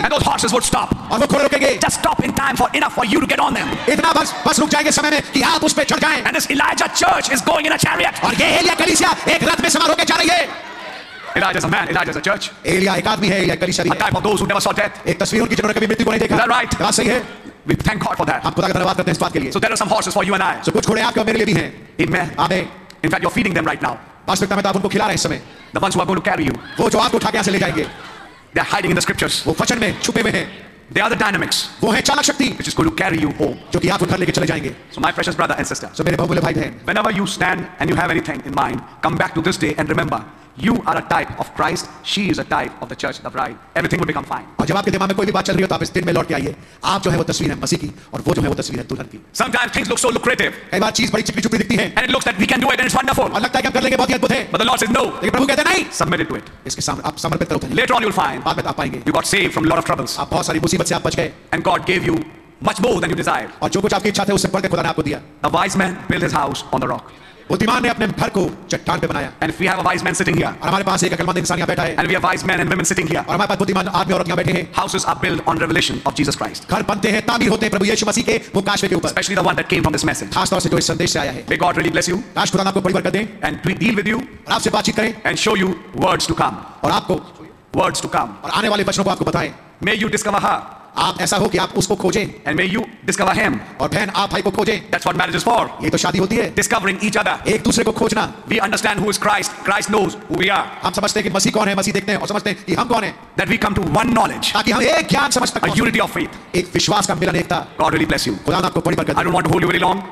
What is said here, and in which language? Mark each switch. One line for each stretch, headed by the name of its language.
English: And those horses would stop.
Hindi: और वो घोड़े रुकेंगे.
English: Just stop in time for enough for you to get on them.
Hindi: इतना बस रुक जाएंगे समय में कि आप उस पे चढ़ जाएं.
English: And this Elijah church is going in a chariot.
Hindi: और ये एलिय्याह कलीसिया एक रथ में सवार होकर जा रही है.
English: Elijah is a man. Elijah is a church.
Hindi: Elijah एक आदमी है. Elijah कलीसिया भी है.
English: A type of those who never saw death.
Hindi: एक तस्वीर उनकी जिन्होंने कभी मृत्यु को नहीं देखा.
English: Is that right?
Hindi: बात सही है.
English: We thank God for that.
Hindi: हम खुदा का धन्यवाद करते हैं इस बात के लिए.
English: So there are some horses for you and I.
Hindi: So कुछ घोड़े आपके और मेरे लिए भी हैं.
English: Amen.
Hindi: आमें.
English: In fact, you're feeding them right now.
Hindi: वास्तविकता में तो आप उनको खिला रहे हैं इस समय.
English: The ones who are going to carry you.
Hindi: वो जो आपको उठा के यहाँ से ले जाएंगे.
English: They are hiding in the scriptures.
Hindi: वो वचन में छुपे हुए हैं.
English: They are the dynamics.
Hindi: वो है चालक शक्ति.
English: Which is going to carry you home.
Hindi: जो कि आपको घर लेके चले जाएंगे.
English: So my precious brother and sister.
Hindi: So मेरे बहुमूल्य भाई बहन.
English: Whenever you stand and you have anything in mind, come back to this day and remember. You are a type of Christ. She is a type of the church, the bride. Everything will become fine.
Hindi: और जब आपके दिमाग में कोई भी बात चल रही हो, तो आप इस दिन में लौट के आइए. आप जो है वो तस्वीर है मसीह की, और वो जो है वो तस्वीर है दुल्हन की.
English: Sometimes things look so lucrative.
Hindi: कई बार चीज़ बड़ी चिपचिपी दिखती है.
English: And it looks that we can do it, and it's wonderful.
Hindi: और लगता है कि हम कर लेंगे बहुत ही अद्भुत है.
English: But the Lord says no.
Hindi: लेकिन प्रभु कहते हैं नहीं.
English: Submit it to it.
Hindi: इसके सामने आप समर्पित करो.
English: Later on you'll find.
Hindi: बाद में आप पाएंगे.
English: You got saved from a lot of troubles.
Hindi: आप बहुत सारी मुसीबत से आप बच गए.
English: And God gave you much more than you desired.
Hindi: और जो कुछ आपकी इच्छा थी उससे बढ़कर खुदा ने आपको दिया.
English: A wise man built his house on the rock.
Hindi: बुद्धिमान ने अपने घर को चट्टान पे बनाया.
English: And if we have a wise man sitting here.
Hindi: और हमारे पास एक अकलमंद इंसान यहाँ बैठा है.
English: And we have wise men and women sitting here.
Hindi: और हमारे पास बुद्धिमान आदमी औरत यहाँ बैठे हैं.
English: Houses are built on revelation of Jesus Christ.
Hindi: घर बनते हैं तामीर होते हैं प्रभु यीशु मसीह के वो काशवे के ऊपर.
English: Especially the one that came from this message.
Hindi: खासतौर से जो इस संदेश से आया है.
English: May God really bless you.
Hindi: काश खुदा आपको बड़ी बरकत दे.
English: And we deal with you.
Hindi: और आपसे बातचीत करें.
English: And show you words to come.
Hindi: और आपको
English: words to come.
Hindi: और आने वाले वचनों को आपको बताएं.
English: May you discover her.
Hindi: आप ऐसा हो कि आप उसको खोजें.
English: And may you discover him.
Hindi: और बहन आप भाई को खोजें.
English: That's what marriage is for.
Hindi: ये तो शादी होती है.
English: Discovering each other.
Hindi: एक दूसरे को खोजना.
English: We understand who is Christ. Christ knows who we are.
Hindi: हम समझते हैं कि मसीह कौन है. मसीह देखते हैं और समझते हैं कि हम कौन हैं.
English: That we come to one knowledge.
Hindi: ताकि हम एक ज्ञान समझते
English: हैं. A unity of faith.
Hindi: एक विश्वास का मिलन एकता.
English: God really bless you.
Hindi: खुदा आपको बड़ी बरकत दे.
English: I don't want to hold you very long.